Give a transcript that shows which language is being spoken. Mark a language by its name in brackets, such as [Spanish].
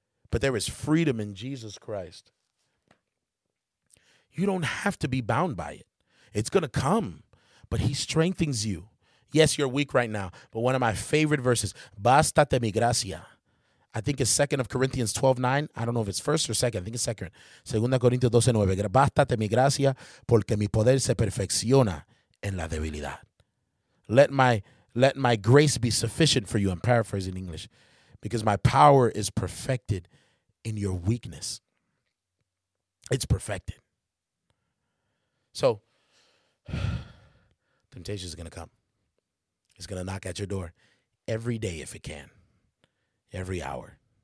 [English] But there is freedom in Jesus Christ. You don't have to be bound by it. It's going to come, but he strengthens you. Yes, you're weak right now, but one of my favorite verses, [Spanish] Bástate mi gracia. [English] I think it's 2 Corinthians 12:9. I don't know if it's first or second. I think it's second. 2 Corinthians 12:9. [Spanish] Bástate mi gracia porque mi poder se perfecciona en la debilidad. [English] Let my grace be sufficient for you. I'm paraphrasing English. Because my power is perfected in your weakness. It's perfected. So, temptation is going to come. It's going to knock at your door every day if it can. Every hour.